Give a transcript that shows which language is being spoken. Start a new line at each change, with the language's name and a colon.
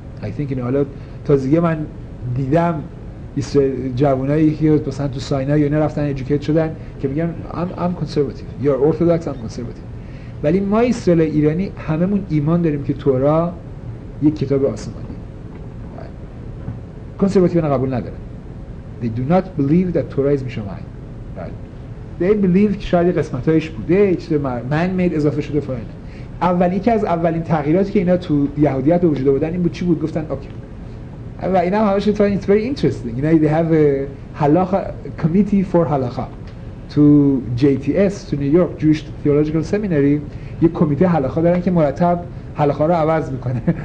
English: I think
Persian: اینه. حالا تازگی من دیدم جوانایی که مثلا تو ساینا یا اینا رفتن ادوکیت شدن که میگن
English: I'm conservative you're orthodox I'm conservative.
Persian: ولی ما اسرائیل ایرانی هممون ایمان داریم که تورا یک کتاب آسمانی. کنسرواتیون قبول ندارن.
English: They do not believe that Torah is Mishamayim. They believe
Persian: که شاید قسمتایش بوده چیز من میده اضافه شده فاینا. اولی که از اولین تغییراتی که اینا تو یهودیت به وجود آوردن این بود چی بود؟ گفتن اوکی. و اینا همش
English: it's very interesting. You know they have a halacha committee for halacha to JTS to New York Jewish Theological Seminary.
Persian: یه کمیته halacha دارن که مرتب halacha رو عوض میکنه.